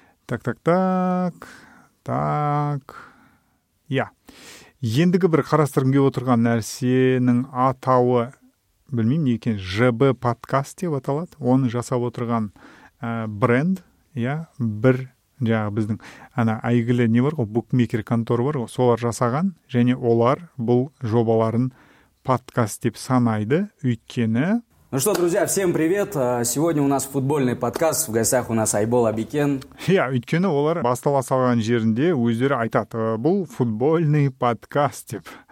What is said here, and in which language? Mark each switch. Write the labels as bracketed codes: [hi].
[kk] Ендігі бір қарастырым келіп отырған нәрсенің атауы, білмеймін, екен ЖБ подкаст деп аталады. Оны жасап отырған бренд. Я, бір жағы біздің әйгілі не бар ғой, букмекер контор бар ғой, солар жасаған, және олар бұл жобаларын подкаст деп санайды, өйткені. [ru] Ну что, друзья, всем привет. Сегодня у нас футбольный подкаст. В гостях у нас Айбол Абикен. [kk] Я, өйткені олар бастала салған жерінде өздері айтады, бұл [ru] футбольный подкаст [kk] деп.